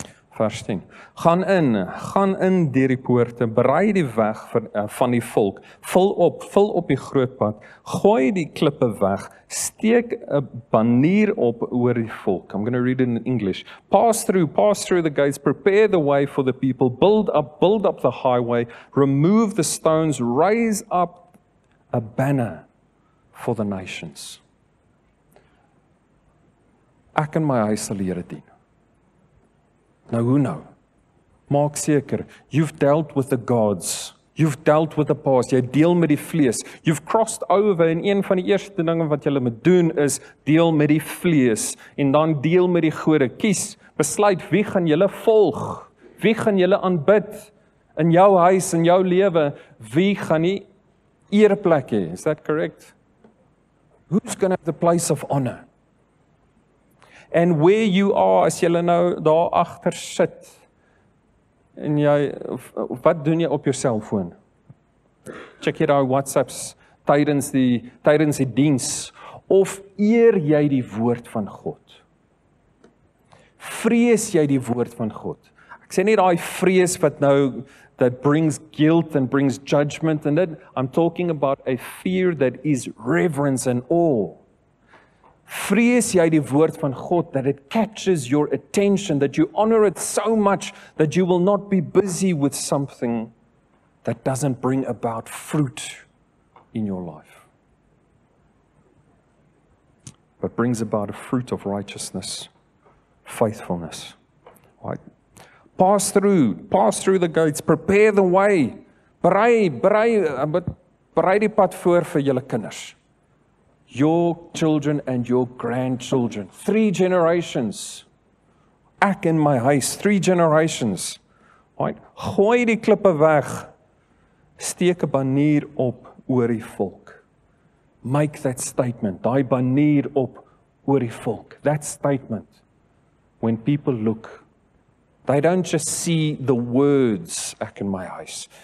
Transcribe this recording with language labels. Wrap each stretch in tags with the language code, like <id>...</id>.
<af>Vers 10. Gaan in deur die poorte, berei die weg van die volk, vul op die groot pad, gooi die klippe weg, steek 'n banier op oor die volk.</af> <en>I'm going to read it in English. Pass through the gates, prepare the way for the people, build up the highway, remove the stones, raise up a banner for the nations.</en> <af>Ek in my huis sal die Here dien. Nou, hoe nou? Maak seker,</af> <en>you've dealt with the gods. You've dealt with the past.</en> <af>Jy deel met die vlees.</af> <en>You've crossed over</en> <af>en een van die eerste dinge wat jy moet doen is deel met die vlees en dan deel met die gode. Kies, besluit, wie gaan jy volg? Wie gaan jy aanbid in jou huis, in jou lewe? Wie gaan die eerplek hê?</af> <en>Is that correct? Who's going to have the place of honor? And where you are,</en> <af>as jy nou daar agter sit, en jy, wat doen jy op jou selfoon? Check jy daar WhatsApps tydens die diens, of eer jy die woord van God? Vrees jy die woord van God? Ek sê nie daai vrees wat nou</af> <en>that brings guilt and brings judgment and that I'm talking about a fear that is reverence and awe.</en> <af>Vrees jy die woord van God</af> <en>that it catches your attention, that you honor it so much that you will not be busy with something that doesn't bring about fruit in your life, but brings about a fruit of righteousness, faithfulness. Right? Pass through the gates, prepare the way,</en> <af>berei die pad voor vir julle kinders.</af> <en>Your children and your grandchildren. Three generations.</en> <af>Ek in my huis.</af> <en>Three generations. Right?</en> <af>Gooi die klippe weg. Steek 'n banier op oor die volk.</af> <en>Make that statement.</en> <af>Daai banier op oor die volk.</af> <en>That statement. When people look, they don't just see the words,</en> <af>ek in my huis.</af>